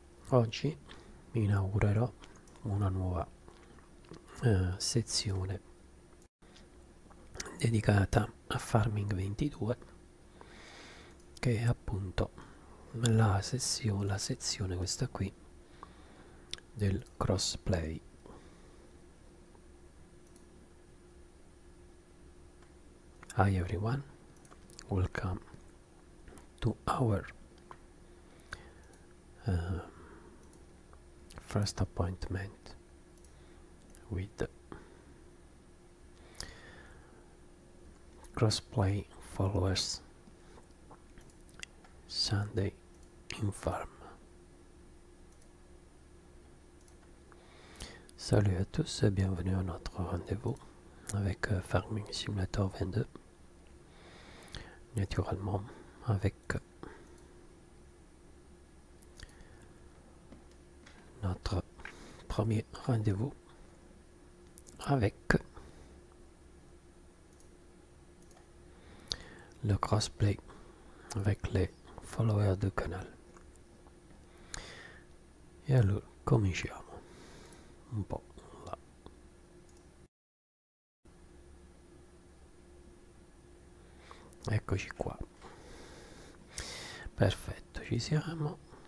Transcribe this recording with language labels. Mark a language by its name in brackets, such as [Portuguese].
[Italian] Oggi inaugurerò una nuova sezione dedicata a Farming 22, che è appunto la sezione questa qui del crossplay. [English] Hi everyone, welcome to our first appointment with crossplay followers Sunday in farm. [French] Salut à tous et bienvenue à notre rendez-vous avec Farming Simulator 22. Naturellement, avec notre premier rendez-vous avec le crossplay avec les followers du canal. [Italian] E allora cominciamo un po' là. Eccoci qua. Perfetto, ci siamo.